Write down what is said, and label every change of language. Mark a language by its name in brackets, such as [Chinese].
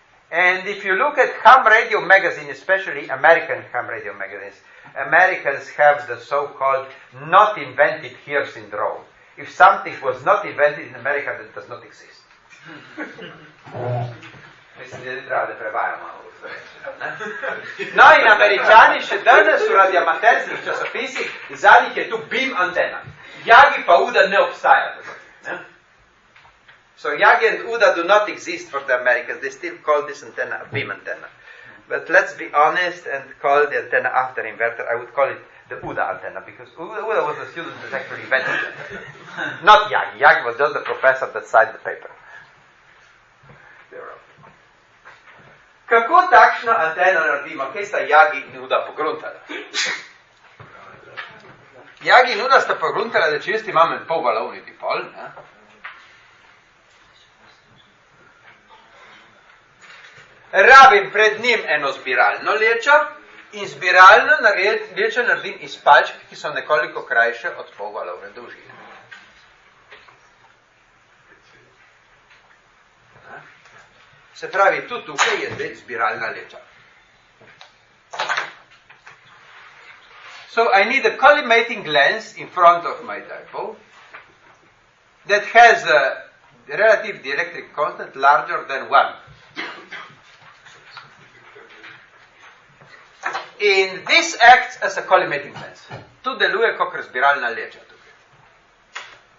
[English] And if you look at ham radio magazine, especially American ham radio magazines, Americans have the so-called not invented here syndrome. If something was not invented in America, then it does not exist. [Slovenian] Mislim, da je treba, da prevajam malo. No in Američani še danes v radioamaterskih časopisih, za njih je tu beam antena. Jagi pa Uda ne obstaja. Ne? [English] So, Yagi and Uda do not exist for the Americans. They still call this antenna a beam antenna. But let's be honest and call the antenna after inverter. I would call it the Uda antenna, because Uda was a student that actually invented it. Not Yagi. Yagi was just the professor that signed the paper. [Slovenian] Kako takšno antena naredimo? Kaj sta Yagi in Uda pogruntala? Yagi in Uda sta pogruntala, da če jaz imam en polvalovni dipol, ne? Rabim pred njim eno spiralno lečo in spiralno lečo naredim iz palčk, ki so nekoliko krajše od polvalovne dolžine. Se pravi, tudi tukaj je zdaj spiralna leča. [English] So I need a collimating lens in front of my dipole that has a relative dielectric constant larger than 1. In this acts as a collimating lens. [Slovenian] To deluje kot spiralna leča tukaj.